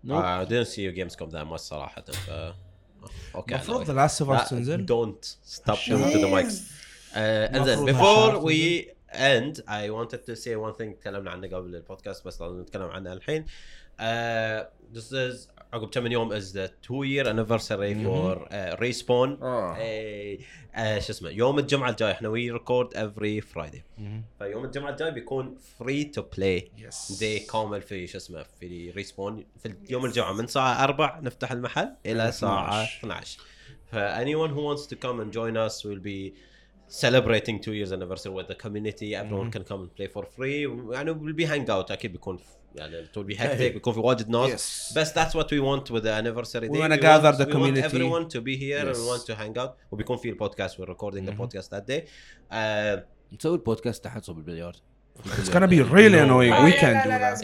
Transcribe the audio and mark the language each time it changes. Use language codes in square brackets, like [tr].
[en] I didn't see your games come that much [ar] صراحة. Okay. مفروض The Last of Us تنزل. [en] Don't stop talking to the mics. And then before we end, I wanted to say one thing. [ar] تكلمنا عنه قبل البودكاست بس لازم نتكلم عنه الحين. [en] This is [ar] عقب كم يوم [en] is the 2-year anniversary for Respawn. [ar] شو اسمه يوم الجمعة الجاي إحنا [en] we record every Friday. [ar] فيوم الجمعة الجاي بيكون free to play day كامل في شو اسمه في Respawn في يوم الجمعة من ساعة 4 نفتح المحل إلى ساعة 12. [en] Anyone who wants to come and join us will be celebrating 2 years anniversary with the community. Everyone can come and play for free. [ar] يعني [en] we'll be hang out. [ar] أكيد بيكون يعني تول بي هكتك بيكون في واجد ناس بس [en] that's what we want with the anniversary day. We gather the community. We want everyone to be here and we want to hang out. [ar] وبيكون في البودكاست [en] we're recording the podcast that day. [ar] نسوي البودكاست تحت صوب البليارد. [en] It's gonna be really annoying. We can't do that.